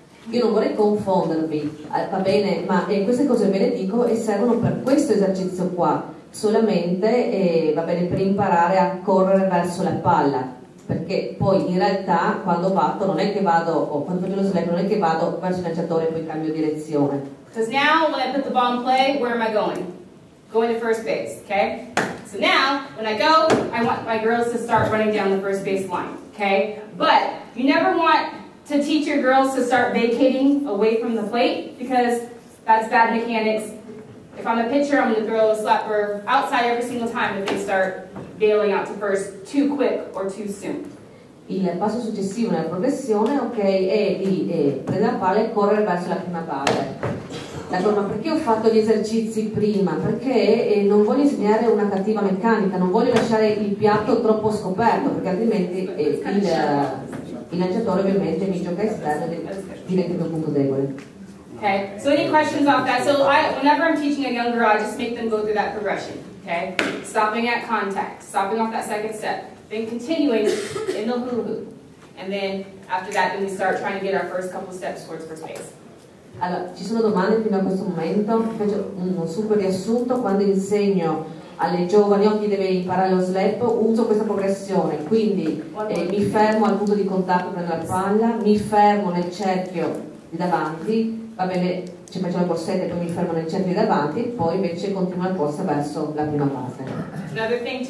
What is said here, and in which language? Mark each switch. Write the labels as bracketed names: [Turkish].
[Italian] Io non vorrei confondervi, va bene, ma queste cose ve le dico e servono per questo esercizio qua. Solamente, va bene, per imparare a correre verso la palla. Perché poi in realtà quando batto non è che vado, o quando faccio lo slap non è che vado verso il lanciatore e poi cambio direzione. [English] Because now when I put the ball in play, where am I going? Going to first base, okay? So now, when I go, I want my girls to start running down the first base line, okay? But you never want to teach your girls to start vacating away from the plate because that's bad mechanics. If I'm a pitcher, I'm going to throw a slapper outside every single time if they start bailing out to first too quick or too soon. [Italian] Il passo successivo nella progressione, ok, è di prendere la palla e correre verso la prima base. D'accordo, ma perché ho fatto gli esercizi prima? Perché non voglio insegnare una cattiva meccanica, non voglio lasciare il piatto troppo scoperto, perché altrimenti il lanciatore ovviamente mi gioca esterno e diventa un punto debole. [English] Ok, so any questions off that? So whenever I'm teaching a younger, I just make them go through that progression, okay? Stopping at contact, stopping off that second step, then continuing in the hula hoop. And then after that, then we start trying to get our first couple steps towards first base. [Italian] Allora, ci sono domande fino a questo momento? Faccio un super riassunto. Quando insegno alle giovani o chi deve imparare lo slap, uso questa progressione. Quindi mi fermo al punto di contatto, prendo la palla, mi fermo nel cerchio di davanti, va bene, ci faccio la corsetta e poi mi fermo nel cerchio di davanti, poi invece continuo la corsa verso la prima base.